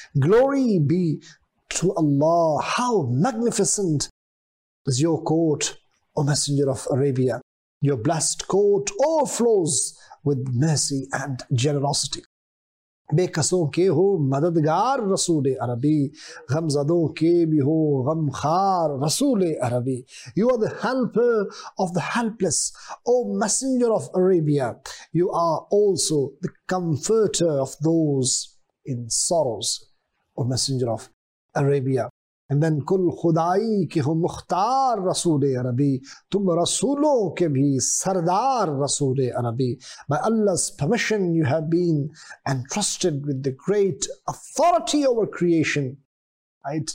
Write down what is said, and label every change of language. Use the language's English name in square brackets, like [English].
[English] Glory be to Allah, how magnificent is your court, O Messenger of Arabia. Your blessed court overflows with mercy and generosity. [Urdu] بے قصوں کے ہو مددگار رسول عربی، غم زدوں کے بھی ہو غم خار رسول عربی. [English] You are the helper of the helpless, O messenger of Arabia. You are also the comforter of those in sorrows, O messenger of Arabia. And then [Urdu] کل خدائی کے ہو مختار رسول عربی، تم رسولوں کے بھی سردار رسول عربی. [English] By Allah's permission you have been entrusted with the great authority over creation, right?